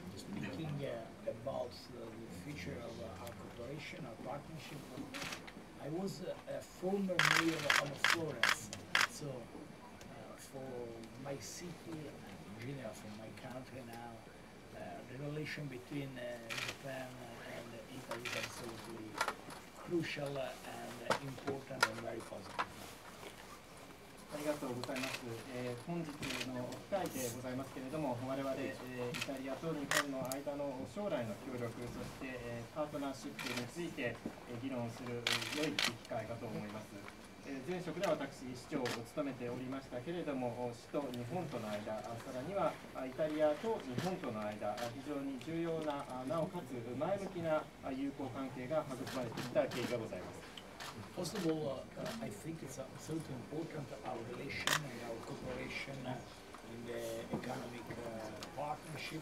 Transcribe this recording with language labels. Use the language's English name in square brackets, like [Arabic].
[English] Speaking about the future of our cooperation, our partnership, I was a former mayor of Florence. So for my city, in general for my country now, the relation between Japan and Italy is absolutely crucial and important and very positive. [Japanese] ありがとうございます。本日のお機会でございますけれども、我々、イタリアと日本の間の将来の協力、そして、パートナーシップについて、議論する良い機会かと思います。前職では私、市長を務めておりましたけれども、市と日本との間、さらにはイタリアと日本との間、非常に重要な、なおかつ前向きな友好関係が育まれてきた経緯がございます。 [English] First of all, I think it's absolutely important our relation and our cooperation in the economic partnership.